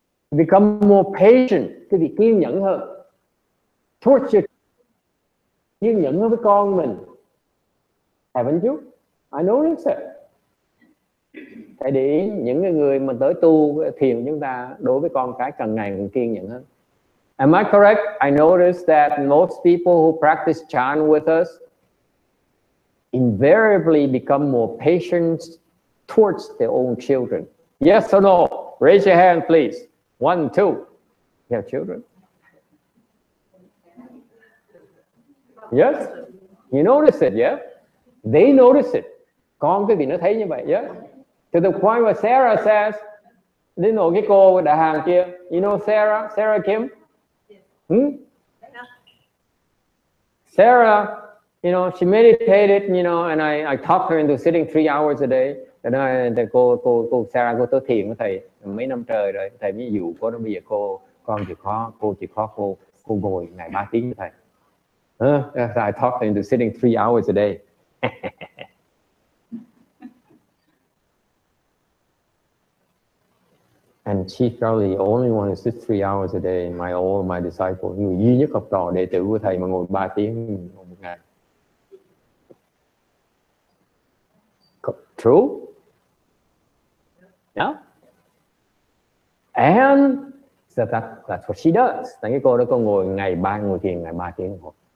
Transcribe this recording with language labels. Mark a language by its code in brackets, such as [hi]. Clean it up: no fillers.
[en] You become more patient, [vi] quý vị kiên nhẫn hơn. Kiên nhẫn hơn với con mình. [en] Haven't you? I notice it. [vi] Thầy để ý những người mà tới tu thiền chúng ta đối với con cái càng ngày càng kiên nhẫn hơn. [en] Am I correct? I noticed that most people who practice chan with us invariably become more patient towards their own children. Yes or no? Raise your hand, please. One, two. You have children? Yes? You notice it, yeah? They notice it. [vi] Con cái gì nó thấy như vậy, yeah? [en] To the point where Sarah says, [vi] đến nỗi cái cô đại hàng kia, [en] you know Sarah, Sarah Kim? Sarah, you know, she meditated, you know, and I talked her into sitting 3 hours a day. [vi] And I thì cô Sarah cô tới thiền với thầy mấy năm trời rồi. Thầy mới dụ cô nó bây giờ cô con chịu khó, cô chịu khó cô ngồi ngày 3 tiếng với thầy. [en] I talked her into sitting 3 hours a day. And she's probably the only one who sits 3 hours a day, my disciple. [vi] Người duy nhất học trò đệ tử của thầy mà ngồi 3 tiếng một ngày. [en] True? Yeah? And so that's what she does. [vi] Thành cái cô đó cô ngồi ngày 3, ngồi thiền ngày 3 tiếng một ngày.